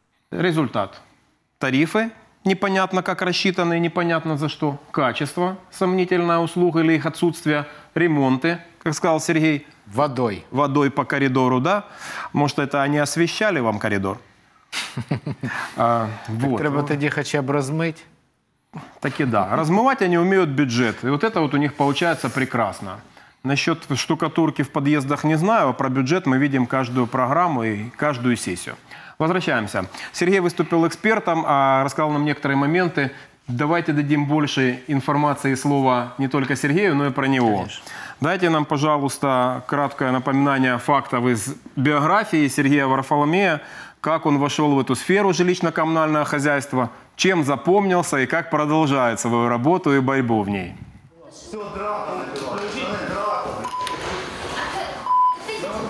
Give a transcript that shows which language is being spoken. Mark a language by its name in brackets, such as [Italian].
[Russian] Результат. Тарифы непонятно как рассчитаны, непонятно за что. Качество, сомнительная услуга или их отсутствие. Ремонты, как сказал Сергей. Водой. Водой по коридору, да? Может, это они освещали вам коридор? [Ukrainian] Треба тоді хоча б розмити. Так і да. Розмивати вони вміють бюджет. І от це от у них виходить прекрасно. [Russian] Насчет штукатурки [Ukrainian] в під'їздах не знаю, а про бюджет ми бачимо кожну програму і кожну сесію. Возвращаємося. Сергій виступив експертом, а розказав нам некоторі моменти. Давайте дадим більше інформації і слова не тільки Сергію, але й про нього. [Russian] Конечно. [Ukrainian] Дайте нам, [Russian] пожалуйста, краткое [Ukrainian] напоминання фактів із біографії Сергія Варфоломія. [Russian] Как он вошел в эту сферу жилищно-коммунального хозяйства, чем запомнился и как продолжает свою работу и борьбу в ней. Все, драку набивай. Включи драку. Да.